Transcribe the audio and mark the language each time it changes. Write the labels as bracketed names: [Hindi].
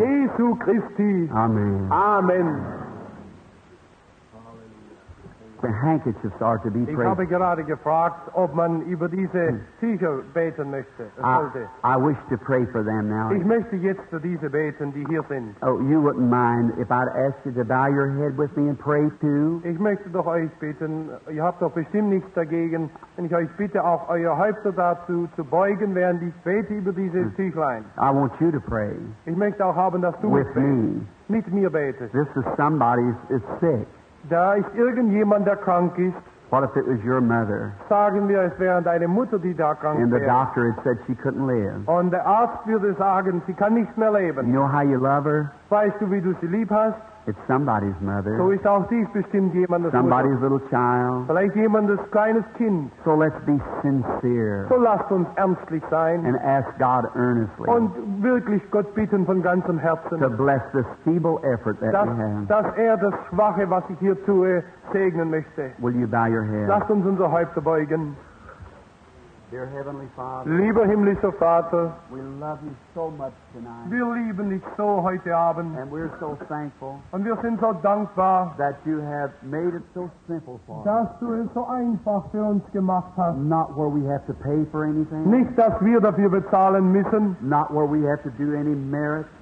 [German] Jesu Christi. Amen. Amen. [English] The handkerchiefs are to be praised. [German] Ich habe gerade gefragt, ob man über diese Tücher beten möchte. [English] I wish to pray for them now. [German] Ich möchte jetzt für diese beten, die hier sind. [English] Oh, you wouldn't mind if I'd ask you to bow your head with me and pray too? [German] Ich möchte doch euch beten. Ihr habt doch bestimmt nichts dagegen. Und ich euch bitte auch, eure Häupter dazu zu beugen, während ich bete über diese Tüchlein. [English] I want you to pray. [German] Ich möchte auch haben, dass du [English] with me. [German] Mit mir betest. [English] This is somebody is sick. [German] Da ist irgendjemand, der krank ist. [English] What if it was your mother? [German] Sagen wir, es wäre deine Mutter, die da krank wäre. [English] And the doctor had said she couldn't live. [German] Und der Arzt würde sagen, sie kann nicht mehr leben. [English] You know how you love her? [German] Weißt du, wie du sie lieb hast? [English] It's somebody's mother. [German] So ist auch dies bestimmt jemandes [English] somebody's [German] Mutter. [English] Little child. [German] Vielleicht jemandes kleines Kind. [English] So let's be sincere. [German] So lasst uns ernstlich sein. [English] And ask God earnestly. [German] Und wirklich Gott bitten von ganzem Herzen. [English] To bless this feeble effort that [German] dass, [English] we have. [German] Dass er das Schwache, was ich hier tue, segnen möchte. [English] Will you bow your head? [German] Lasst uns unsere Häupter beugen. [English] Dear Heavenly Father, [German] lieber himmlischer Vater, [English] we love you so much tonight. [German] Wir lieben dich so heute Abend. [English] And we're so thankful. [German] Und wir sind so dankbar, [English] that you have made it so simple for us. [German] Dass du es so einfach für uns gemacht hast. [English] Not where we have to pay for anything. [German] Nicht, dass wir dafür bezahlen müssen. [English] Not where we have to do any merit.